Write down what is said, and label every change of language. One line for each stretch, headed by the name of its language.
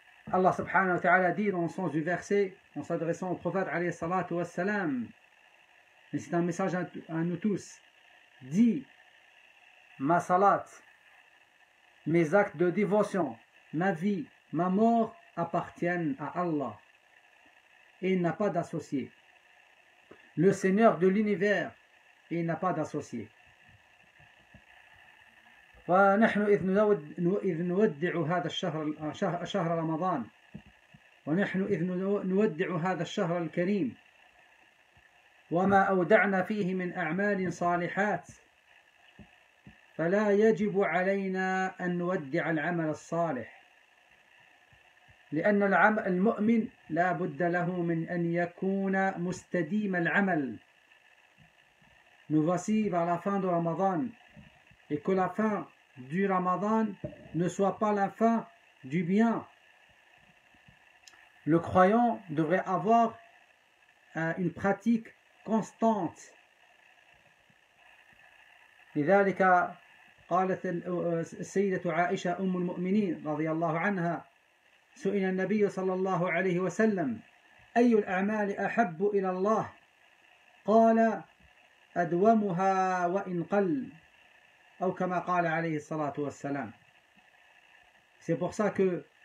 French: Allah subhanahu wa ta'ala dit dans le sens du verset, en s'adressant au prophète alayhi salatu wa salam, mais c'est un message à nous tous, dit: ma salat, mes actes de dévotion, ma vie, ma mort appartiennent à Allah et il n'a pas d'associé. Le Seigneur de l'univers et il n'a pas d'associé.
Arabic: ونحن إذ نودع هذا الشهر، شهر رمضان، ونحن إذ نودع هذا الشهر الكريم، وما أودعنا فيه من أعمال صالحات، فلا يجب علينا أن نودع العمل الصالح، لأن المؤمن لا بد له من أن يكون مستديم العمل.
French: Nous voici vers la fin de Ramadan, et que la fin du Ramadan ne soit pas la fin du bien. Le croyant devrait avoir une pratique constante.
Arabic: لذلك قالت السيدة عائشة أم المؤمنين رضي الله عنها سئل النبي صلى الله عليه وسلم أي الأعمال أحب إلى الله؟ قال: أدومها وإن قل، أو كما قال عليه الصلاة والسلام.
French: C'est pour ça que